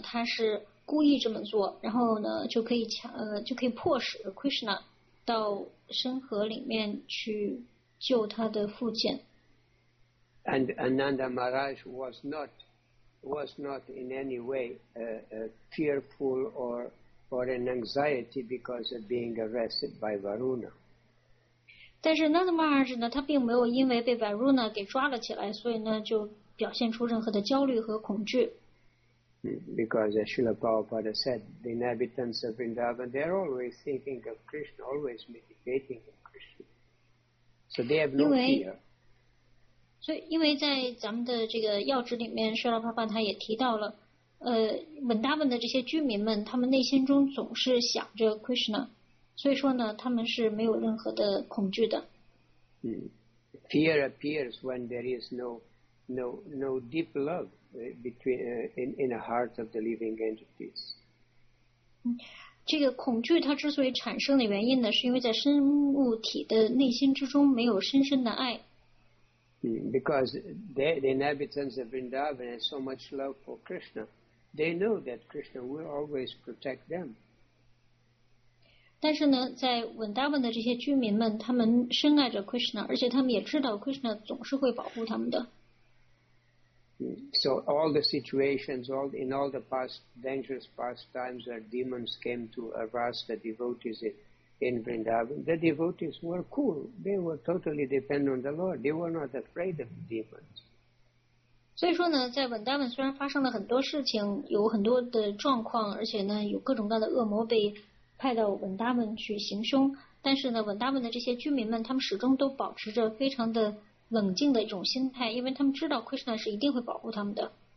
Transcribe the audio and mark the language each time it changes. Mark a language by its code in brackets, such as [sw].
[zh] 他是故意这么做，然后呢，就可以就可以迫使 Krishna 到深河里面去救他的父亲。 [en] And Ananda Maharaj was not in any way fearful or an anxiety because of being arrested by Varuna. [zh] 但是 Nanda Maharaj 呢，他并没有因为被 Varuna 给抓了起来，所以呢就表现出任何的焦虑和恐惧。 [en] Because as Srila Prabhupada said, the inhabitants of Vrindavan, they're always thinking of Krishna, always meditating on Krishna. So they have no fear. [zh] 因为在咱们的这个要旨里面，舍拉帕帕他也提到了，文达文的这些居民们，他们内心中总是想着 Krishna， 所以说呢，他们是没有任何的恐惧的。 [en] Fear appears when there is no deep love between in the heart of the living entities。 [zh] 这个恐惧它之所以产生的原因呢，是因为在生物体的内心之中没有深深的爱。 [en] Because the inhabitants of Vrindavan have so much love for Krishna, they know that Krishna will always protect them. [zh] 但是呢，在文达文的这些居民们，他们深爱着 Krishna， 而且他们也知道 Krishna 总是会保护他们的。 [en] So all the situations, all the past dangerous past times, where demons came to harass the devotees in Vrindavan, the devotees were cool. They were totally dependent on the Lord. They were not afraid of demons. [zh] 所以说呢，在文达文虽然发生了很多事情，有很多的状况，而且呢，有各种各样的恶魔被派到文达文去行凶，但是呢，文达文的这些居民们，他们始终都保持着非常的冷静的一种心态，因为他们知道 Krishna 是一定会保护他们的。